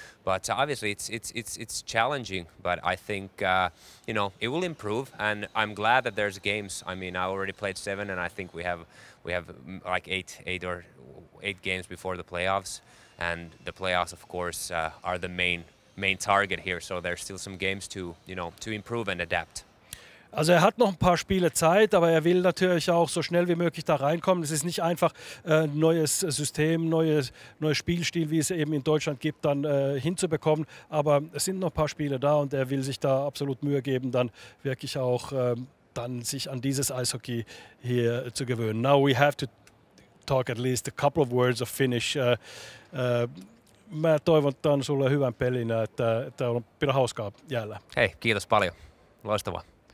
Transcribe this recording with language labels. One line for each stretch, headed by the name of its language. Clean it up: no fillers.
English: But obviously it's challenging, but I think you know, it will improve, and I'm glad that there's games. I mean, I already played 7, and I think we have like eight games before the playoffs, and the playoffs of course are the main target here, so there's still some games to, you know, to improve and adapt.
German: Also er hat noch ein paar Spiele Zeit, aber er will natürlich auch so schnell wie möglich da reinkommen. Es ist nicht einfach, neues System, neues Spielstil, wie es eben in Deutschland gibt, dann hinzubekommen. Aber es sind noch ein paar Spiele da und er will sich da absolut Mühe geben, dann wirklich auch dann sich an dieses Eishockey hier zu gewöhnen.
English: Now we have to talk at least a couple of words of Finnish.
Finnish: Mä toivon, että on sulle hyvän pelin, että on pidä hauskaa jäällä. Hei, kiitos paljon. Loistavaa.